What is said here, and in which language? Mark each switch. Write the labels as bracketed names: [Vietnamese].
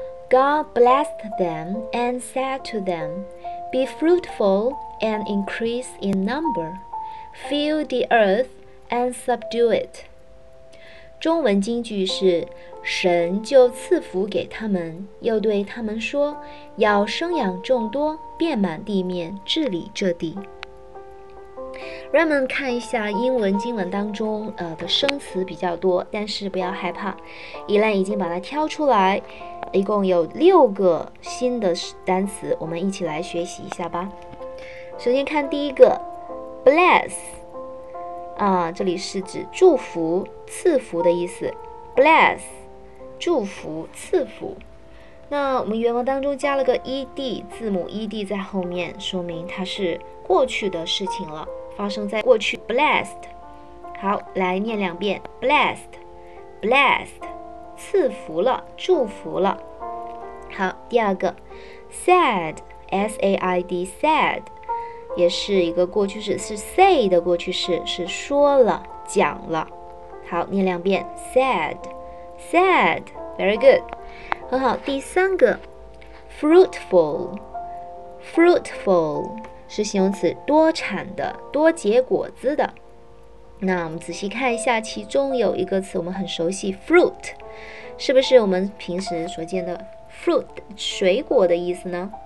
[English] God blessed them and said to them, Be fruitful and increase in number. Fill the earth and subdue it. [Chinese] 中文金句是神就赐福给他们，又对他们说，要生养众多，遍满地面，治理这地。让我们看一下英文经文当中的生词比较多，但是不要害怕，伊兰已经把它挑出来，一共有六个新的单词，我们一起来学习一下吧。首先看第一个 bless 啊，这里是指祝福、赐福的意思。 bless 祝福、赐福。那我们原文当中加了个 ed 字母 ed 在后面，说明它是过去的事情了。发生在过去 blessed 好，来念两遍 blessed blessed 赐福了，祝福了。好，第二个 said s-a-i-d said 也是一个过去式，是 say 的过去式，是说了、讲了。好，念两遍 said said [English] very good [Chinese] 很好。第三个 fruitful fruitful是形容词，多产的、多结果子的。那我们仔细看一下，其中有一个词我们很熟悉 fruit， 是不是我们平时所见的 fruit 水果的意思呢？